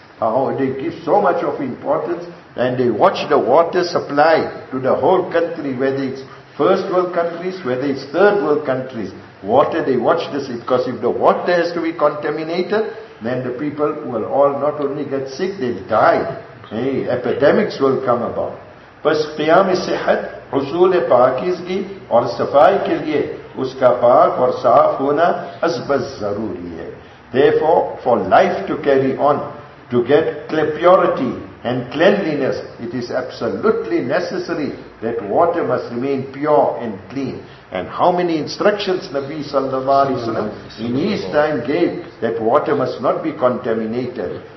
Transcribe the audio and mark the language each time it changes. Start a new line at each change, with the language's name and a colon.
English: How they give so much of importance and they watch the water supply to the whole country, whether it's first world countries, whether it's third world countries. Water, they watch this because if the water has to be contaminated, then the people will all not only get sick, they'll die. Hey, epidemics will come about.
Urdu: Bas qiyam sihat حصول پاکیزگی اور صفائی کے لیے اس کا پاک اور صاف ہونا ازبز ضروری ہے.
English: Therefore, for life to carry on, to get purity and cleanliness, it is absolutely necessary that water must remain pure and clean. And how many instructions Nabi sallallahu alayhi wa sallam in his time gave that water must not be contaminated.